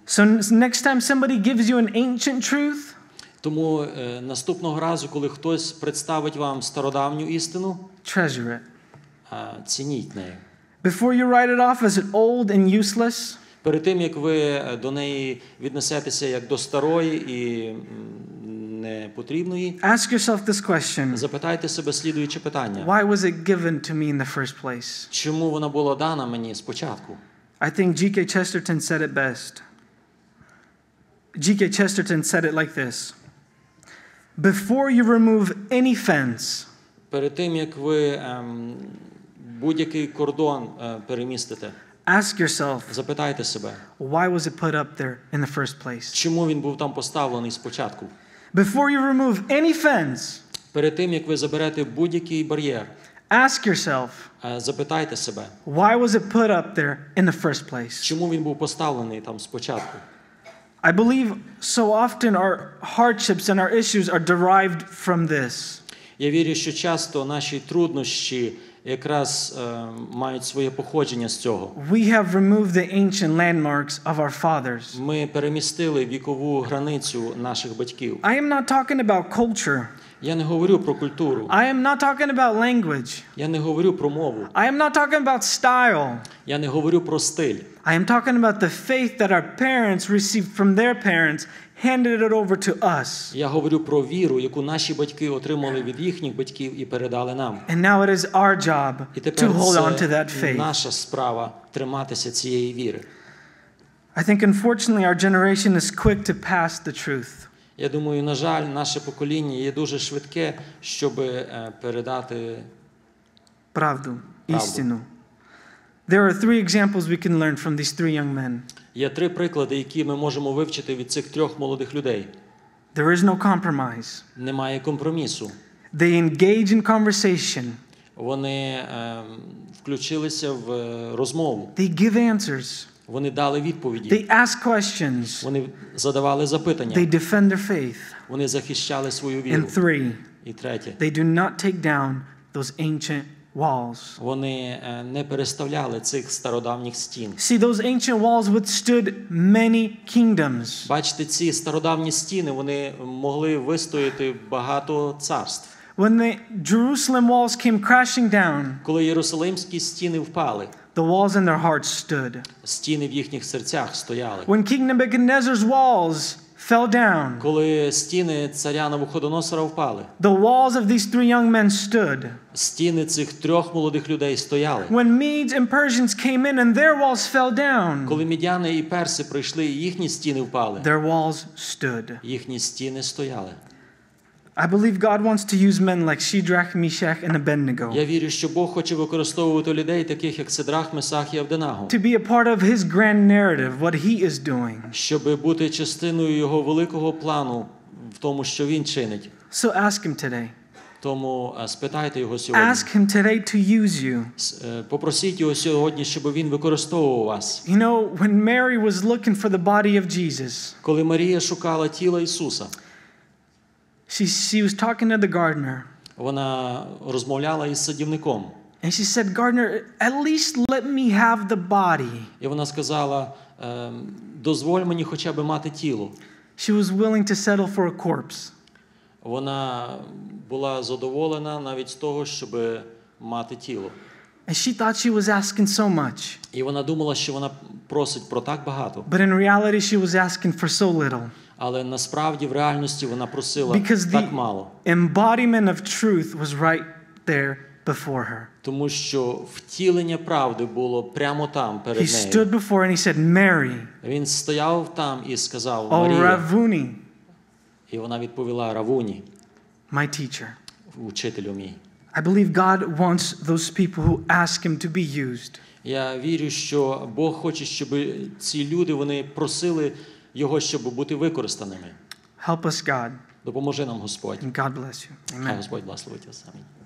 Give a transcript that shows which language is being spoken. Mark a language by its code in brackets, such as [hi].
[en] So next time somebody gives you an ancient truth, [uk] тому наступного разу, коли хтось представить вам стародавню істину, [en] treasure it. [uk] Цініть неї. [en] Before you write it off as old and useless, [uk] перед тим, як ви до неї віднесетеся як до старої і непотрібної, [en] ask yourself this question. [uk] Запитайте себе слідуюче питання. [en] Why was it given to me in the first place? [uk] Чому вона була дана мені спочатку? [en] I think G.K. Chesterton said it best. G.K. Chesterton said it like this. Before you remove any fence, [uk] перед тим, як ви будь-який кордон перемістите, [en] ask yourself, [uk] запитайте себе, [en] why was it put up there in the first place? [uk] Чому він був там поставлений спочатку? [en] Before you remove any fence, [uk] перед тим, як ви заберете будь-який бар'єр, [en] ask yourself, [uk] запитайте себе, [en] why was it put up there in the first place? [uk] Чому він був поставлений там спочатку? [en] I believe so often our hardships and our issues are derived from this. [uk] Я вірю, що часто наші труднощі якраз мають своє походження з цього. [en] We have removed the ancient landmarks of our fathers. [uk] Ми перемістили вікову границю наших батьків. [en] I am not talking about culture. [uk] Я не говорю про культуру. [en] I am not talking about language. [uk] Я не говорю про мову. [en] I am not talking about style. [uk] Я не говорю про стиль. [en] I am talking about the faith that our parents received from their parents, handed it over to us. [uk] Я говорю про віру, яку наші батьки отримали від їхніх батьків і передали нам. [en] And now it is our job to hold on to that faith. [uk] Наша справа триматися цієї віри. [en] I think unfortunately our generation is quick to pass the truth. [uk] Я думаю, на жаль, наше покоління є дуже швидке, щоб передати правду, істину. [en] There are three examples we can learn from these three young men. [uk] Є три приклади, які ми можемо вивчити від цих трьох молодих людей. [en] There is no compromise. [uk] Немає компромісу. [en] They engage in conversation. [uk] Вони включилися в розмову. [en] They give answers. [uk] Вони дали відповіді. [en] They ask questions. [uk] Вони задавали запитання. [en] They defend their faith. [uk] Вони захищали свою віру. [en] And three. [uk] І третє. [en] They do not take down those ancient walls. [uk] Вони не переставляли цих стародавніх стін. [en] See, those ancient walls withstood many kingdoms. [uk] Бачите, ці стародавні стіни, вони могли вистояти багато царств. [en] When the Jerusalem walls came crashing down, [uk] коли єрусалимські стіни впали, [en] the walls in their hearts stood. [uk] Стіни в їхніх серцях стояли. [en] When King Nebuchadnezzar's walls fell down, [uk] коли стіни царя Навуходоносора впали, [en] the walls of these three young men stood. [uk] Стіни цих трьох молодих людей стояли. [en] When Medes and Persians came in and their walls fell down, [uk] коли мідяни і перси прийшли, і їхні стіни впали, [en] their walls stood. [uk] Їхні стіни стояли. [en] I believe God wants to use men like Shadrach, Meshach, and Abednego. [uk] Я вірю, що Бог хоче використовувати людей таких як Сидрах, Месах і Авденаго. [en] To be a part of His grand narrative, what He is doing. [uk] Щоб бути частиною Його великого плану в тому, що Він чинить. [en] So ask Him today. [uk] Тому спитайте Його сьогодні. [en] Ask Him today to use you. [uk] Попросіть Його сьогодні, щоб Він використовував вас. [en] You know, when Mary was looking for the body of Jesus, [uk] коли Марія шукала тіло Ісуса, [en] She was talking to the gardener. [uk] Вона розмовляла із садівником. [en] And she said, "Gardener, at least let me have the body." [uk] І вона сказала, "Дозволь мені хоча б мати тіло." [en] She was willing to settle for a corpse. [uk] Вона була задоволена навіть з того, щоб мати тіло. [en] And she thought she was asking so much. [uk] І вона думала, що вона просить про так багато. [en] But in reality, she was asking for so little. [uk] Але насправді в реальності вона просила так мало. [en] Embodiment of truth was right there before her. [uk] Тому що втілення правди було прямо там перед нею. [en] He stood before and he said, "Mary." [uk] Він стояв там і сказав: "Марія." [en] Oh, Равуні. [uk] І вона відповіла: "Равуні." [en] My teacher. [uk] Учителю мій. [en] I believe God wants those people who ask him to be used. [uk] Я вірю, що Бог хоче, щоб ці люди вони просили Його, щоб бути використаними. [en] Help us, God. [uk] Допоможи нам, Господь. [en] And God bless you. Amen. [uk] Хай Господь благословить тебе самі.